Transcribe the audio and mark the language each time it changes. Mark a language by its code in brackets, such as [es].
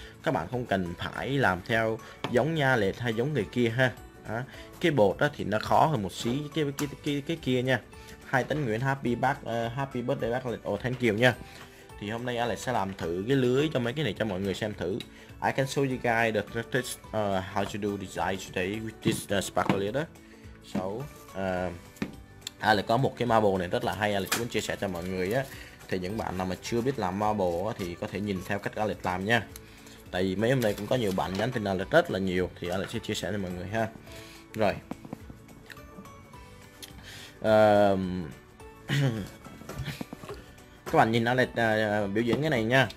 [vi] Các bạn không cần phải làm theo giống nha lệ hay giống người kia ha. À, cái bột đó thì nó khó hơn một xí cái kia nha. Hai Tấn Nguyễn happy bác happy birthday bác Alex. Oh, thank you nha. Thì hôm nay Alex sẽ làm thử cái lưới cho mấy cái này cho mọi người xem thử. [en] I can show you guys the tricks how to do design today with this sparkler đó. [vi] So Alex có một cái marble này rất là hay, Alex muốn chia sẻ cho mọi người á. Thì những bạn nào mà chưa biết làm marble á thì có thể nhìn theo cách Alex làm nha. Tại vì mấy hôm nay cũng có nhiều bạn nhắn tin là rất là nhiều thì anh lại sẽ chia sẻ cho mọi người ha. Rồi các bạn nhìn anh lại biểu diễn cái này nha.